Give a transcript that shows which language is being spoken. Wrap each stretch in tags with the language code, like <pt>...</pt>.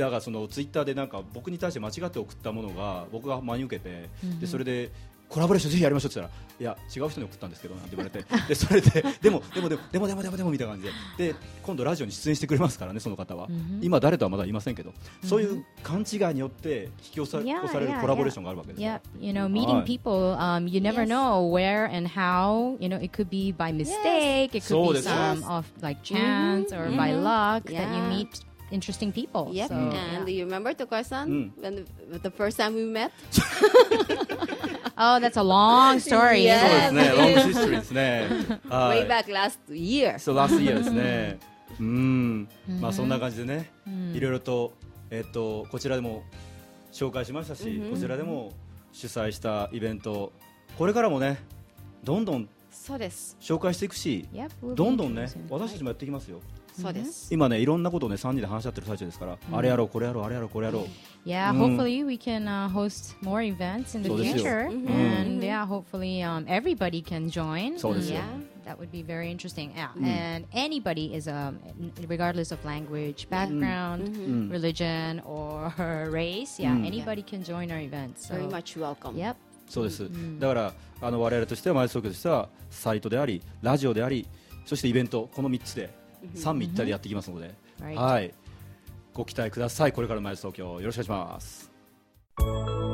<ja>だからそのツイッターでなんか僕に対して間違って送ったものが僕が真に受けて、うん、でそれでコラボレーションぜひやりましょうって言ったら、いや違う人に送ったんですけどなんて言われて、でそれででもでもでもでもでもでもでもみたいな感じで、で今度ラジオに出演してくれますからねその方は、うん、今誰とはまだ言いませんけど、うん、そういう勘違いによって引き起こされるコラボレーションがあるわけですよ。</ja> <en>yeah, you know, meeting people、はい、you never know where and how, you know, it could be by mistake, it could be some of like chance or by luck that you meetinteresting people. Yep. So, and do you remember Tokai-san when the first time we met? Oh, that's a long story.</en> <ja>Yes. そうですね。</ja> <en>long history</en> <ja>ですね。</ja> <en>Way back last year. So last year</en> <ja>ですね。まあそんな感じでね、いろいろと、こちらでも紹介しましたし、mm-hmm. こちらでも主催したイベント、これからもね、どんどん紹介していくし、</ja> <en>yep,</en> <ja>we'll、どんどんね、私たちもやっていきますよ。そうです。今ね、いろんなことをね、3人で話し合ってる最中ですから、あれやろう、これやろう、あれやろう、これやろう。</ja> <en>Yeah, hopefully we can、host more events in the future. And yeah, hopefully、everybody can join.</en> <ja>そうですよ。</ja> <en>Yeah, that would be very interesting. Yeah.、And anybody is,、regardless of language, background,、religion, or race, yeah,、anybody can join our events. So, very much welcome. Yep.</en> <ja>そうです。だから、あの我々としては、マイストークとしては、サイトであり、ラジオであり、そしてイベント、この3つで。三位一体でやっていきますので、はい、ご期待ください。これからマイルス東京よろしくお願いします。</ja>